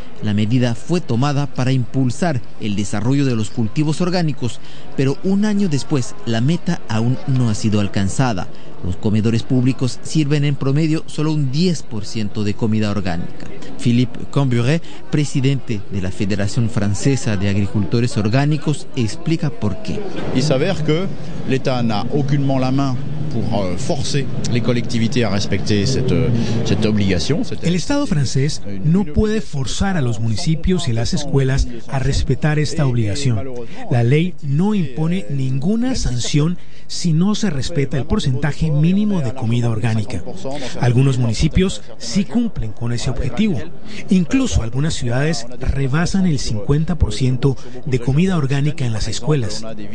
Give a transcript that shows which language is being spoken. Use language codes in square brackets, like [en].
[es] La medida fue tomada para impulsar el desarrollo de los cultivos orgánicos, pero un año después la meta aún no ha sido alcanzada. Los comedores públicos sirven en promedio solo un 10% de comida orgánica. Philippe Camburet, presidente de la Federación Francesa de Agricultores Orgánicos, explica por qué. [fr] Il s'avère que l'État n'a aucunement la main pour forcer les collectivités à respecter cette obligation. [es] El Estado francés no puede forzar a los municipios y las escuelas a respetar esta obligación. La ley no impone ninguna sanción si no se respeta el porcentaje mínimo de comida orgánica. Algunos municipios sí cumplen con ese objetivo. Incluso algunas ciudades rebasan el 50% de comida orgánica en las escuelas.